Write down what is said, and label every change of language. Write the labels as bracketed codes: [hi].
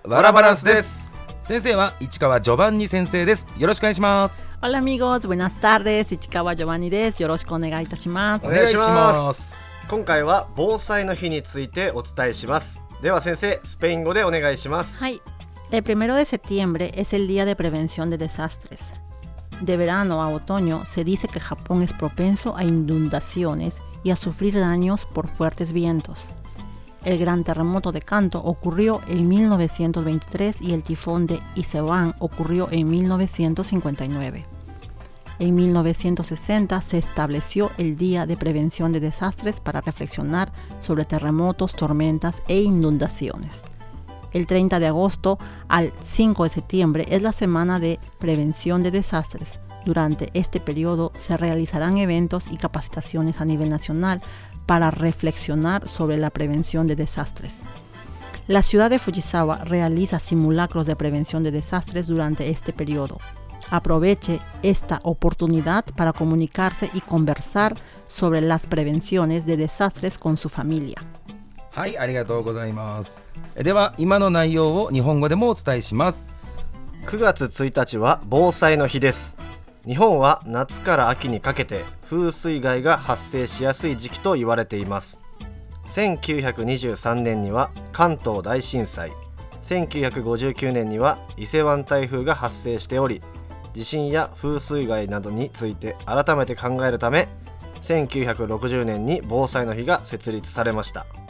[ja] ワラバランスです。先生は市川ジョバンニ先生です。よろしくお願いします。 [es] Hola amigos, buenas tardes, [ja] 市川ジョバンニです。よろしくお願いいたします。お願いします。今回は防災の日についてお伝えします。では先生、スペイン語でお願いします。はい。 [es] El primero de septiembre es el día de prevención de desastres. De verano a otoño se dice que Japón es propenso a inundaciones y a sufrir daños por fuertes vientos. El gran terremoto de Kanto ocurrió en 1923 y el tifón de Isewan ocurrió en 1959. En 1960 se estableció el día de prevención de desastres para reflexionar sobre terremotos, tormentas e inundaciones. El 30 de agosto al 5 de septiembre es la semana de prevención de desastres. Durante este periodo se realizarán eventos y capacitaciones a nivel nacional para reflexionar sobre la prevención de desastres. La ciudad de Fujisawa realiza simulacros de prevención de desastres durante este periodo. Aproveche esta oportunidad para comunicarse y conversar sobre las prevenciones de desastres con su familia. [ja] はい、ありがとうございます。では今の内容を日本語でもお伝えします。 9月1日は防災の日です。日本は夏から秋にかけて風水害が発生しやすい時期と言われています。 1923年には関東大震災、1959年には伊勢湾台風が発生しており、地震や風水害などについて改めて考えるため1960年に防災の日が設立されました。